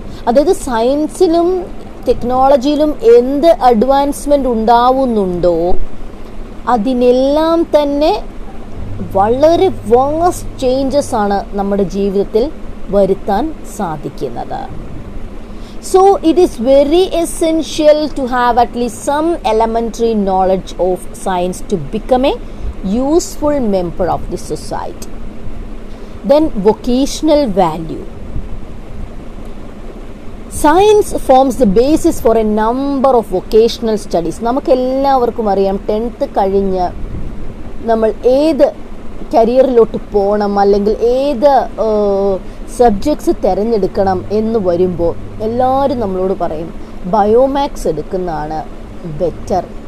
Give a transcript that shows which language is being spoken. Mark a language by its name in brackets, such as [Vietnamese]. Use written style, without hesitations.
[Malayalam] Adhaidhu scienceilum ടെക്നോളജിയിലും എന്ത് advancement ഉണ്ടാവുന്നുണ്ടോ അതിനെല്ലാം തന്നെ വളരെ [English] vast changes [Malayalam] ആണ് നമ്മുടെ ജീവിതത്തിൽ വരുത്താൻ സാധിക്കുന്നത്. [English] So it is very essential to have at least some elementary knowledge of science to become a useful member of the society. Then vocational value. Science forms the basis for a number of vocational studies. [Malayalam] നമുക്കെല്ലാവർക്കും അറിയാം tenth കഴിഞ്ഞ് നമ്മൾ ഏത് കരിയറിലോട്ട് പോകണം അല്ലെങ്കിൽ ഏത് subjects തിരഞ്ഞെടുക്കണം എന്ന് വരുമ്പോൾ എല്ലാവരും നമ്മളോട് പറയും ബയോമാത്സ് എടുക്കുന്നതാണ് ബെറ്റർ.